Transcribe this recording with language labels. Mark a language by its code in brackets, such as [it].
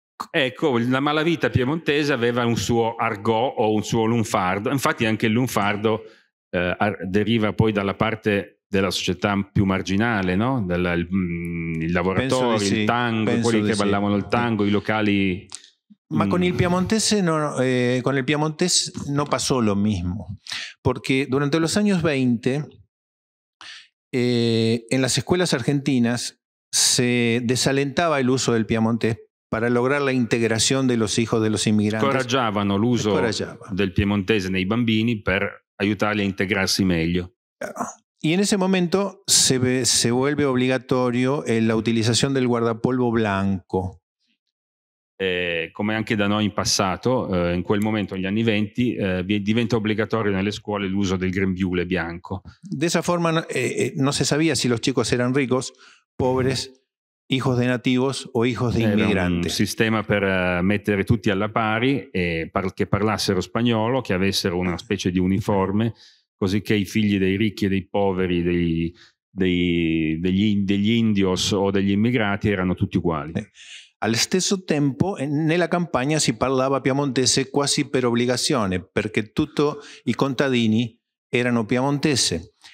[it] Ecco, la malavita piemontese aveva un suo argot o un suo lunfardo, infatti anche il lunfardo deriva poi dalla parte della società più marginale, no? Il lavoratore, sì, il tango, quelli che ballavano il tango, i locali. Ma con il piemontese non passò [es] lo mismo, perché durante los años 20 en las escuelas argentinas se desalentaba el uso del piemontés para lograr la integración de los hijos de los inmigrantes. [it] Scoraggiavano l'uso del piemontese nei bambini per aiutarli a integrarsi meglio. [es] Y en ese momento se vuelve obligatorio la utilización del guardapolvo blanco. [it] Come anche da noi in passato, in quel momento, negli anni 20, diventa obbligatorio nelle scuole l'uso del grembiule bianco. [es] De esa forma [it] non si sapeva [es] se los chicos eran ricos, pobres, hijos de nativos o hijos de inmigrantes. [it] Era un sistema per mettere tutti alla pari, che parlassero spagnolo, che avessero una specie di uniforme, così che i figli dei ricchi e dei poveri, degli indios o degli immigrati erano tutti uguali. Al stesso tempo, nella campagna si parlava piemontese quasi per obbligazione, perché tutti i contadini erano piemontese.